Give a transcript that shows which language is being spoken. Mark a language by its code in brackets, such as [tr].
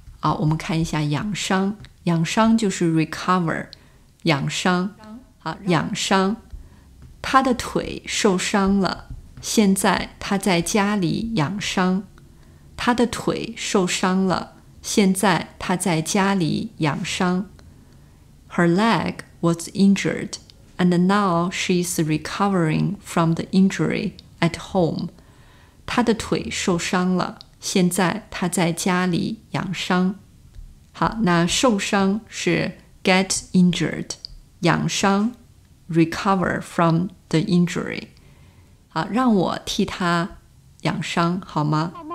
[zh] 好，我们看一下养伤，养伤就是 recover， 养伤，好，养伤，他的腿受伤了，现在他在家里养伤。他的腿受伤了，现在他在家里养伤。 [en] Her leg was injured, and now she's recovering from the injury at home. [zh] 他的腿受伤了，现在他在家里养伤。好，那受伤是 [en] get injured， [zh] 养伤 [en] recover from the injury。 [zh] 好，让我替他养伤好吗？